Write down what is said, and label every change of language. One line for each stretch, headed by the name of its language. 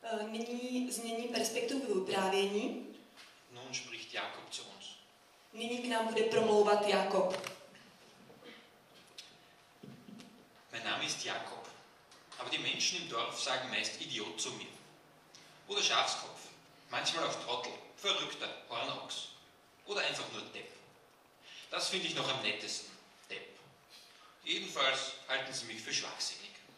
Czech: Nyní změní perspektivu vyprávění.
German: Nun spricht Jakob zu uns.
Czech: Nyní k nám bude promlouvat Jakob.
German: Mein Name ist Jakob, aber die Menschen im Dorf sagen meist Idiot zu mir. Oder Schafskopf, manchmal auch Trottel, Verrückter, Hornochs. Oder einfach nur Depp. Das finde ich noch am nettesten. Jedenfalls halten sie mich für schwachsinnig.